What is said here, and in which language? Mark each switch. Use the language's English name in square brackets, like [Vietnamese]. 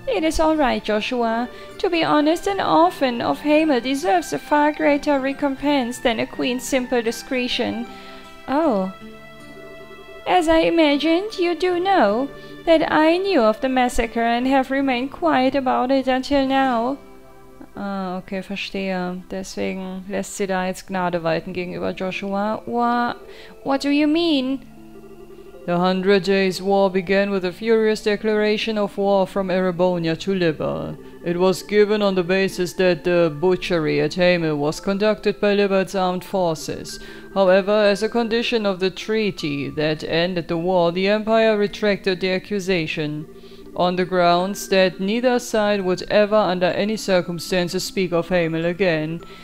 [English] It is all right, Joshua. To be honest, an orphan of Hamel deserves a far greater recompense than a queen's simple discretion. Oh. As I imagined, you do know that I knew of the massacre and have remained quiet about it until now. [German] Ah, okay, verstehe. Deswegen lässt sie da jetzt Gnade walten gegenüber Joshua. [English] What do you mean? The Hundred Days' War began with a furious declaration of war from Erebonia to Libel. It was given on the basis that the butchery at Hamel was conducted by Libel's armed forces. However, as a condition of the treaty that ended the war, the Empire retracted the accusation on the grounds that neither side would ever under any circumstances speak of Hamel again.